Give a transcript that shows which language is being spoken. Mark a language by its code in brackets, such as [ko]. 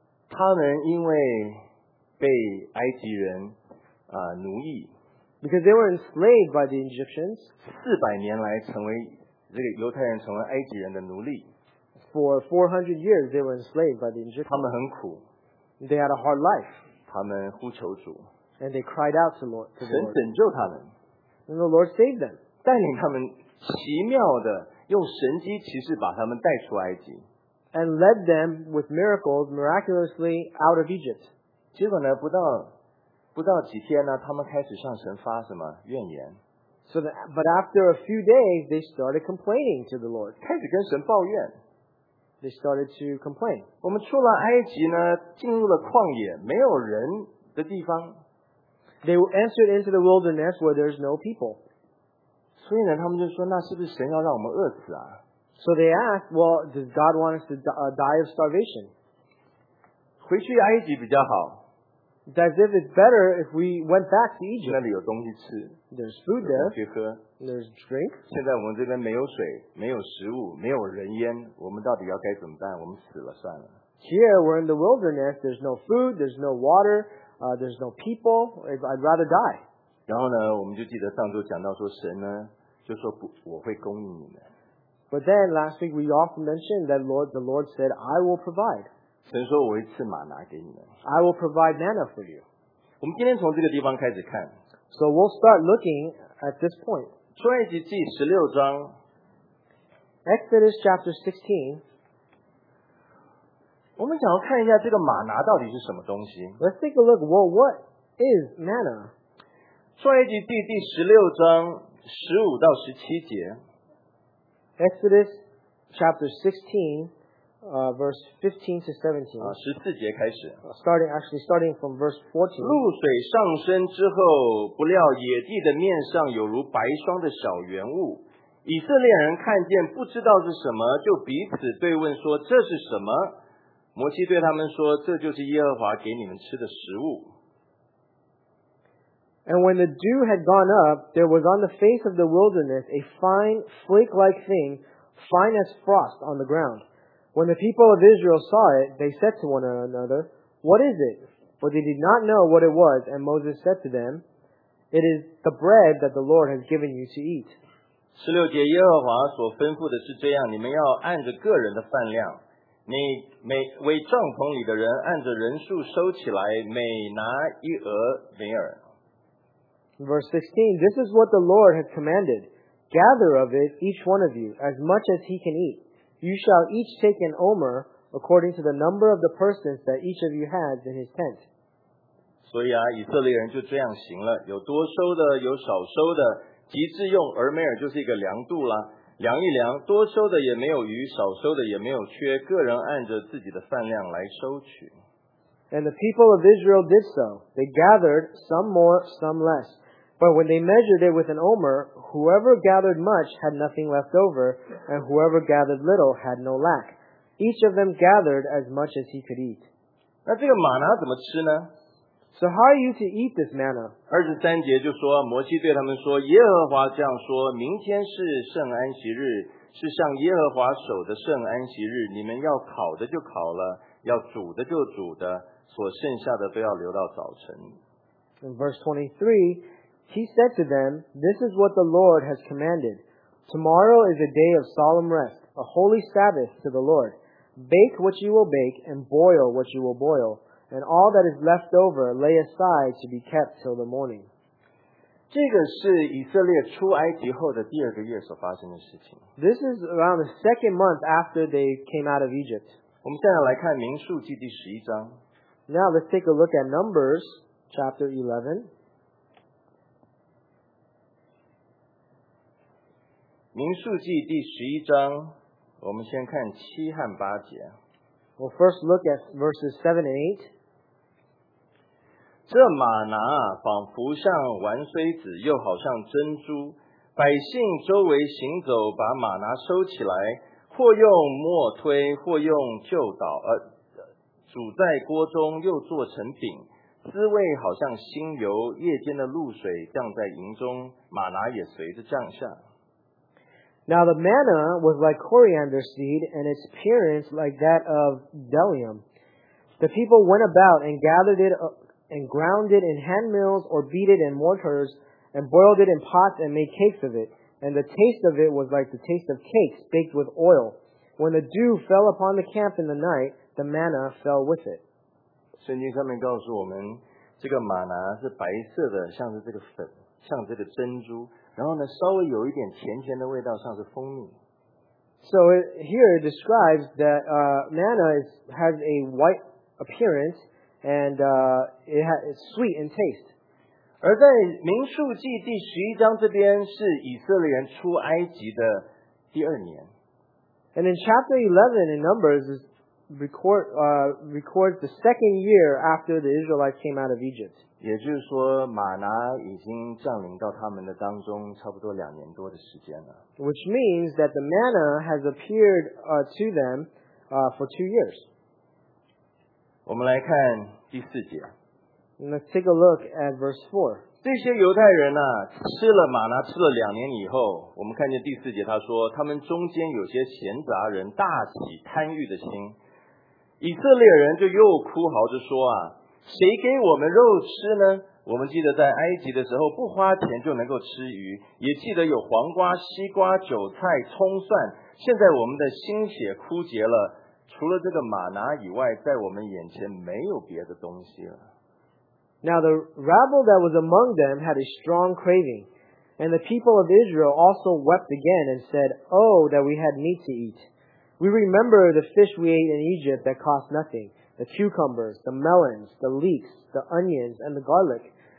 [zh] 他们因为被埃及人奴役 [en] ，because they were enslaved by the Egyptians. [zh] 400年来成为这个犹太人成为埃及人的奴隶。 [en] For 400 years, they were enslaved by the Egyptians. [zh] 他们很苦 [en] ，They had a hard life. [zh] 他们呼求主 [en] ，and they cried out to the Lord. [zh] 神拯救他们 [en] ，and the Lord saved them. [zh] 带领他们奇妙的用神机骑士把他们带出埃及 [en] ，and led them with miracles miraculously out of Egypt. [zh] 结果呢，不到几天呢，他们开始向神发什么怨言。 [en] So that, but after a few days, they started complaining to the Lord. [zh] 开始跟神抱怨。 [en] They started to complain. [zh] 我们出了埃及呢，进入了旷野，没有人的地方。 [en] They entered into the wilderness where there's no people. [zh] 所以呢，他们就说，那是不是神要让我们饿死啊？ [en] So they asked, well, does God want us to die of starvation? [zh] 回去埃及比较好。 [en] As if it's better if we went back to Egypt. [zh] 那里有东西吃。 [en] There's food there. [zh] 有东西喝。 [en] There's drink. [zh] 现在我们这边没有水，没有食物，没有人烟，我们到底要该怎么办？我们死了算了。 [en] Here we're in the wilderness. There's no food. There's no water. There's no people. I'd rather die. [zh] 然后呢，我们就记得上周讲到说，神呢就说不，我会供应你们。 [en] But then last week we often mentioned that the Lord said, I will provide. [zh] 神说我会赐玛拿给你们。 [en] I will provide manna for you. [zh] 我们今天从这个地方开始看。 [en] So we'll start looking at this point. [zh] 出埃及记十六章。 [en] Exodus chapter 16. [zh] 我们想要看一下这个玛拿到底是什么东西。 [en] Let's take a look. Well, what is manna? [zh] 出埃及记第十六章十五到十七节。 [en] Exodus chapter 16. Verse 15 to 17. [zh] 14节开始。 [en] Starting from verse 14. [zh] 露水上升之后，不料野地的面上有如白霜的小圆物。以色列人看见不知道是什么，就彼此对问说：“这是什么？” 摩西对他们说：“这就是耶和华给你们吃的食物。” [en] And when the dew had gone up, there was on the face of the wilderness a fine flake-like thing, fine as frost on the ground. When the people of Israel saw it, they said to one another, What is it? For they did not know what it was, and Moses said to them, It is the bread that the Lord has given you to eat. [zh] 十六节耶和华所吩咐的是这样，你们要按着个人的饭量，你每为帐篷里的人按着人数收起来，每拿一俄每尔。 [en] Verse 16, This is what the Lord has commanded. Gather of it, each one of you, as much as he can eat. You shall each take an omer according to the number of the persons that each of you has in his tent. [zh] 所以啊，以色列人就这样行了，有多收的，有少收的，极致用俄美尔就是一个量度啦，量一量，多收的也没有余，少收的也没有缺，个人按着自己的饭量来收取。 [en] And the people of Israel did so. They gathered some more, some less. But when they measured it with an omer,Whoever gathered much had nothing left over, and whoever gathered little had no lack. Each of them gathered as much as he could eat. [zh] 那这个玛拿怎么吃呢？ [en] So how are you to eat this manna? [zh] 二十三节就说，摩西对他们说，耶和华这样说，明天是圣安息日，是向耶和华守的圣安息日，你们要烤的就烤了，要煮的就煮的，所剩下的都要留到早晨。 [en] In verse 23,He said to them, This is what the Lord has commanded. Tomorrow is a day of solemn rest, a holy Sabbath to the Lord. Bake what you will bake, and boil what you will boil, and all that is left over lay aside to be kept till the morning. [zh] 这个是以色列出埃及后的第二个月所发生的事情。 [en] This is around the second month after they came out of Egypt. [zh] 我们现在来看民数记第十一章。 [en] Now let's take a look at Numbers chapter 11. [zh] 民数记第十一章，我们先看七和八节。 [en] We'll first look at verses 7 and 8. [zh] 这玛拿仿佛像丸穗子，又好像珍珠。百姓周围行走，把玛拿收起来，或用磨推，或用旧捣，煮在锅中，又做成饼。滋味好像新油，夜间的露水降在营中，玛拿也随着降下。 [en] Now the manna was like coriander seed, and its appearance like that of delium. The people went about and gathered it and ground it in handmills or beat it in mortars and boiled it in pots and made cakes of it. And the taste of it was like the taste of cakes baked with oil. When the dew fell upon the camp in the night, the manna fell with it. [zh] 圣经上面告诉我们，这个玛拿是白色的，像是这个粉，像这个珍珠。然后呢，稍微有一点甜甜的味道，像是蜂蜜。 [en] So here it describes that manna has a white appearance And it's sweet in taste. [zh] 而在民数记第十一章这边是以色列人出埃及的第二年。 [en] And in chapter 11 in Numbers is records the second year after the Israelites came out of Egypt. [zh] 也就是说，玛拿已经降临到他们的当中差不多两年多的时间了。 [en] Which means that the manna has appeared to them for 2 years. [zh] 我们来看第四节。 [en] Let's take a look at verse 4. [zh] 这些犹太人啊，吃了玛拿吃了两年以后，我们看见第四节他说，他们中间有些闲杂人大起贪欲的心。以色列人就又哭嚎着说啊，谁给我们肉吃呢？我们记得在埃及的时候不花钱就能够吃鱼，也记得有黄瓜、西瓜、韭菜、葱蒜，现在我们的心血枯竭了，除了这个玛拿以外，在我们眼前没有别的东西了。 [en] Now the rabble that was among them had a strong craving, and the people of Israel also wept again and said, Oh, that we had meat to eat. We remember the fish we ate in Egypt that cost nothing, the cucumbers, the melons, the leeks, the onions, and the garlic.